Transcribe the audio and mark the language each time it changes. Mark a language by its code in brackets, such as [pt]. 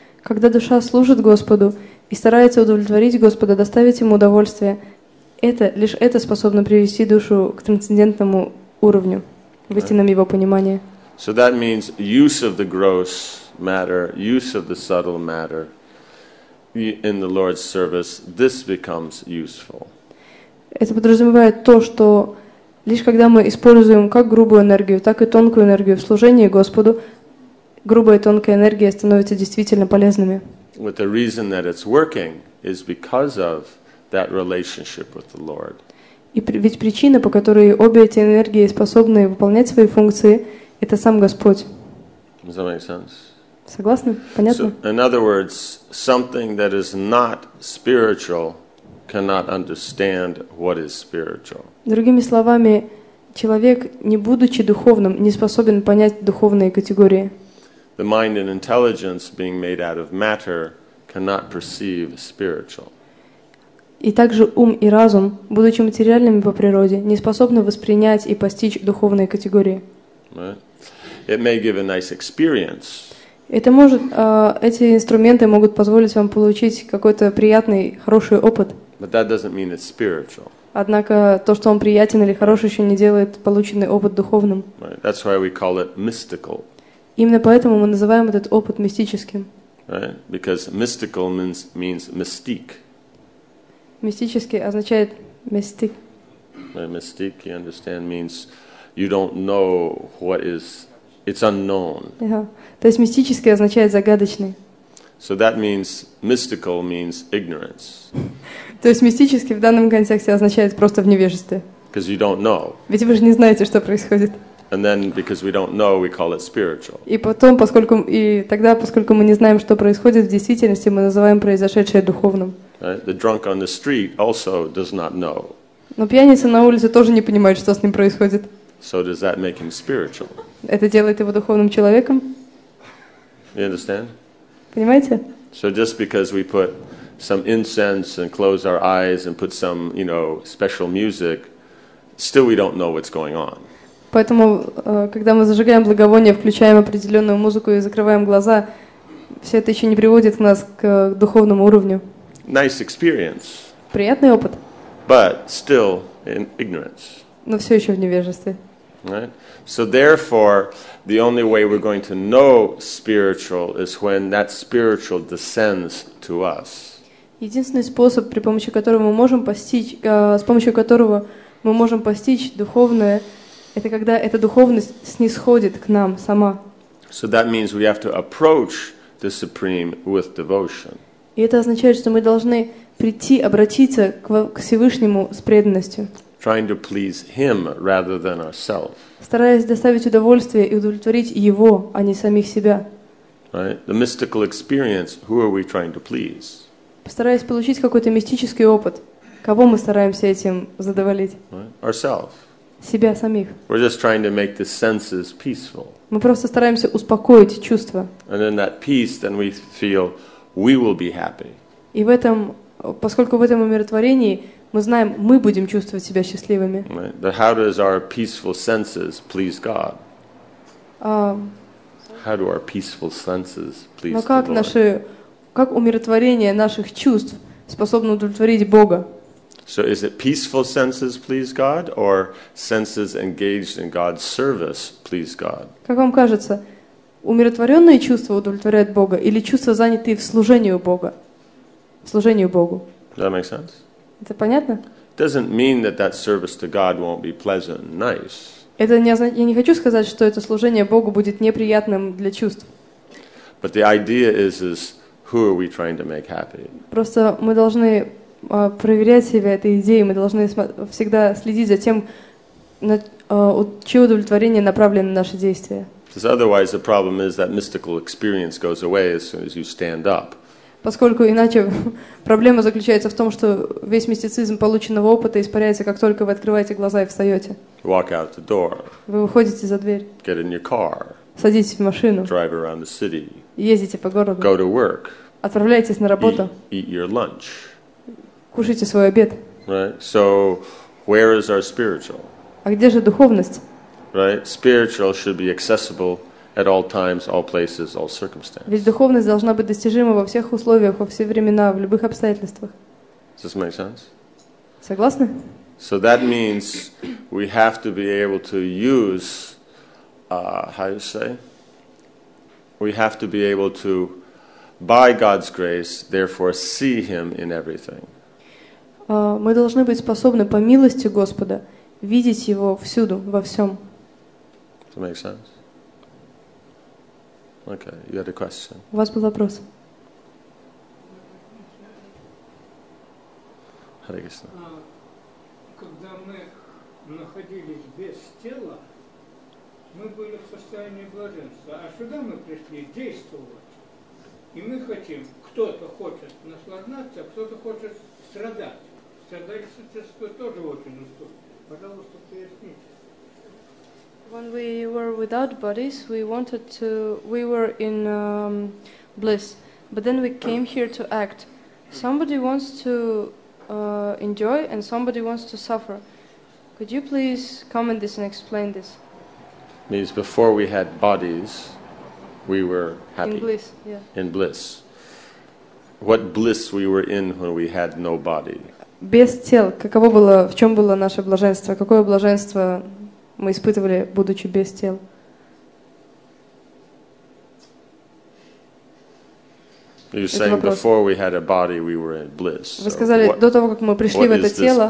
[ru] Когда душа служит Господу и старается удовлетворить Господа, доставить ему удовольствие, это лишь это способно привести душу к трансцендентному уровню, в истинном его понимании. [en] So that means use of the gross matter, use of the subtle matter in the Lord's service, this becomes useful. [ru] Это подразумевает то, что лишь когда мы используем как грубую энергию, так и тонкую энергию в служении Господу, грубая и тонкая энергия становятся действительно полезными. [en] But the reason that it's working is because of that relationship with the Lord. [ru] И ведь причина, по которой обе эти энергии способны выполнять свои функции, это сам Господь. [en] Does that make sense? [ru] Согласны? Понятно? [en] So, in other words, something that is not spiritual cannot understand what is spiritual. [ru] Другими словами, человек, не будучи духовным, не способен понять духовные категории. [en] The mind and intelligence, being made out of matter, cannot perceive spiritual. [ru] И также ум и разум, будучи материальными по природе, не способны воспринять и постичь духовные категории. [en] Right. It may give a nice experience. [ru] Это может, эти инструменты могут позволить вам получить какой-то приятный, хороший опыт. [en] But that doesn't mean it's spiritual. [ru] Однако то, что он приятен или хороший, еще не делает полученный опыт духовным. [en] Right. That's why we call it mystical. [ru] Именно поэтому мы называем этот опыт мистическим. [en] Right? Because mystical means mystique. [ru] Мистический означает мистик. [en] Right? Mystique, you understand, means you don't know what is, it's unknown. Yeah. [ru] То есть мистический означает загадочный. [en] So that means mystical means ignorance. [ru] То есть мистический в данном контексте означает просто в невежестве. [en] Because you don't know. [ru] Ведь вы же не знаете, что происходит. [en] And then, because we don't know, we call it spiritual. [ru] И потом, поскольку и тогда, поскольку мы не знаем, что происходит в действительности, мы называем произошедшее духовным. [en] Right? The drunk on the street also does not know. [ru] Но пьяница на улице тоже не понимает, что с ним происходит. [en] So does that make him spiritual? [ru] Это делает его духовным человеком. [en] You understand? [ru] Понимаете? [en] So just because we put some incense and close our eyes and put some, you know, special music, still we don't know what's going on. [ru] Поэтому, когда мы зажигаем благовоние, включаем определенную музыку и закрываем глаза, все это еще не приводит нас к духовному уровню. [en] Nice experience. [ru] Приятный опыт. [en] But still in ignorance. [ru] Но все еще в невежестве. [en] Right? So therefore, the only way we're going to know spiritual is when that spiritual descends to us. [ru] Единственный способ, при помощи которого мы можем постичь, с помощью которого мы можем постичь духовное, это когда эта духовность снисходит к нам сама. [en] So that means we have to approach the Supreme with devotion. [ru] И это означает, что мы должны прийти, обратиться к Всевышнему с преданностью. [en] Trying to please him rather than ourselves. [ru] Стараясь доставить удовольствие и удовлетворить его, а не самих себя. [en] Right? The mystical experience, who are we trying to please? [ru] Постараясь получить какой-то мистический опыт, кого мы стараемся этим задовольствовать? [en] Right? Ourselves. [ru] Себя самих. [en] We're just trying to make the senses peaceful. [ru] Мы просто стараемся успокоить чувства. [en] And in that peace, then we feel we will be happy. [ru] И в этом, поскольку в этом умиротворении, мы знаем, мы будем чувствовать себя счастливыми. [en] Right. But how does our peaceful senses please God? How do our peaceful senses please God? [ru] Но как наши, как умиротворение наших чувств способно удовлетворить Бога? [en] So is it peaceful senses please God or senses engaged in God's service please God? [ru] Как вам кажется, умиротворенные чувства удовлетворяют Бога или чувства, занятые в служении Бога? Служению Богу. [en] Does that make sense? [ru] Это понятно? [en] Doesn't mean that that service to God won't be pleasant and nice. [ru] Это не означает, я не хочу сказать, что это служение Богу будет неприятным для чувств. [en] But the idea is who are we trying to make happy? [ru] Просто мы должны проверять себя этой идеей, мы должны всегда следить за тем, на чье удовлетворение направлено наше действие. [en] Because otherwise the problem is that mystical experience goes away as soon as you stand up. [ru] Поскольку иначе проблема заключается в том, что весь мистицизм полученного опыта испаряется, как только вы открываете глаза и встаете. [en] Walk out the door. [ru] Вы выходите за дверь. [en] Get in your car. [ru] Садитесь в машину. [en] Drive around the city. [ru] Ездите по городу. [en] Go to work. [ru] Отправляйтесь на работу. [en] Eat your lunch. [ru] Кушайте свой обед. [en] Right. So, where is our spiritual? [ru] А где же духовность? [en] Right. Spiritual should be accessible. At all times, all places, all circumstances. [ru] Ведь духовность должна быть достижима во всех условиях, во все времена, в любых обстоятельствах. [en] Does this make sense? [ru] Согласны? [en] So that means we have to be able to use, how you say? We have to be able to, by God's grace, therefore see Him in everything. [ru] Мы должны быть способны по милости Господа видеть Его всюду, во всем. [en] Does that make sense? Okay, you had a question. [ru] У вас был вопрос. [sa] Hare Krishna. [ru] Когда мы находились без тела, мы были в состоянии блаженства. А сюда мы пришли действовать. И мы хотим, кто-то хочет наслаждаться, кто-то хочет страдать. Страдательство тоже очень уступает. Пожалуйста, поясните. [en] When we were without bodies, we were in bliss. But then we came here to act. Somebody wants to enjoy and somebody wants to suffer. Could you please comment this and explain this? Means before we had bodies, we were happy. In bliss, yeah. In bliss. What bliss we were in when we had no body? [ru] Без тел, каково было, в чем было наше блаженство? Какое блаженство мы испытывали, будучи без тел. [en] You're saying before we had a body, we were in bliss. [ru] Вы сказали, до того, как мы пришли в это тело,